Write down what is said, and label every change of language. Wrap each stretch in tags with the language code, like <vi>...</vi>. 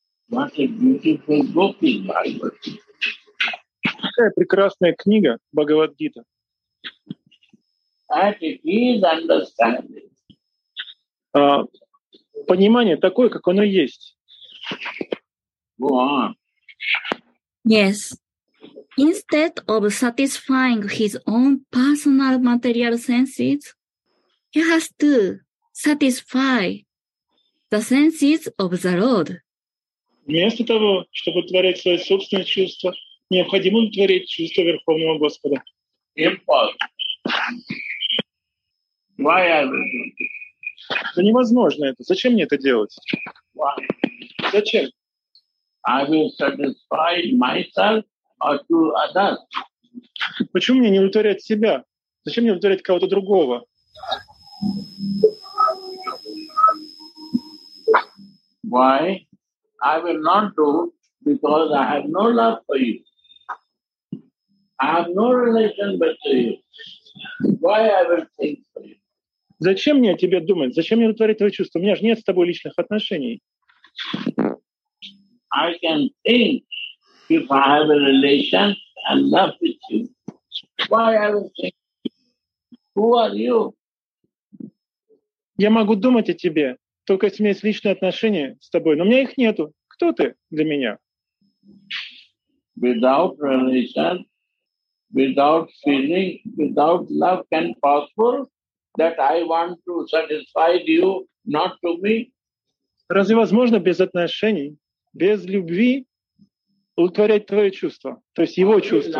<en>What a beautiful book in Bhagavad.</en> <ru>Какая прекрасная книга Бхагавад Гита.</ru> <en>At his understanding.</en> <ru>Понимание такое, как оно есть.</ru> <en>Go on. Yes. instead of satisfying his own personal material senses, he has to satisfy the senses of the Lord.</en> <ru>Вместо того, чтобы удовлетворять свои собственные чувства, необходимо удовлетворять чувства Верховного Господа.</ru> <en>Impossible. Why are we?</en> <ru>Да невозможно это. Зачем мне это делать?</ru> <en>Why?</en> <ru>Зачем?</ru> <en>I will satisfy myself or to others.</en> <ru>Почему мне не удовлетворять себя? Зачем мне удовлетворять кого-то другого?</ru> <en>Why? I will not do because I have no love for you. I have no relation but to you. Why I will think for you?</en> <ru>Зачем мне о тебе думать? Зачем мне удовлетворять твои чувства? У меня же нет с тобой личных отношений.</ru> <en>I can think if I have a relation and love with you. Why I will think? Who are you?</en> <ru>Я могу думать о тебе, только если у меня есть личные отношения с тобой, но у меня их нету. Кто ты для меня?</ru> <en>Without relation, without feeling, without love, can possible that I want to satisfy you, not to me?</en> <ru>Разве возможно без отношений, без любви удовлетворять твои чувства, то есть его чувства?</ru>